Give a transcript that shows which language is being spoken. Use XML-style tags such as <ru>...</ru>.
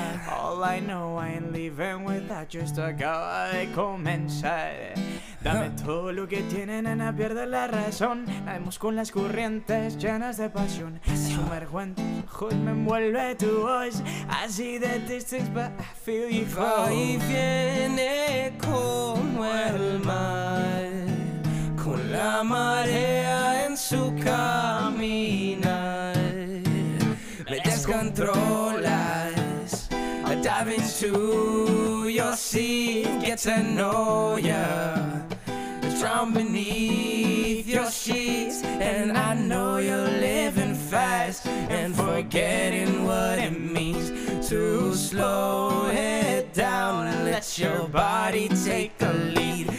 <en>All I know, I ain't leaving without you.</en> <es>Esto acaba de comenzar. Dame todo lo que tiene, nena, pierde la razón. Nademos con las corrientes llenas de pasión. Me sumerjo en tu ojos, me envuelve tu voz. Así de triste,</es> <en>but I feel you fall.</en> <es>Y viene como el mar, con la marea en su caminar. Me descontrolas,</es> <en>I dive into your sea, get to know ya. Drown beneath your sheets, and I know you're living fast and forgetting what it means to slow it down and let your body take the lead.</en>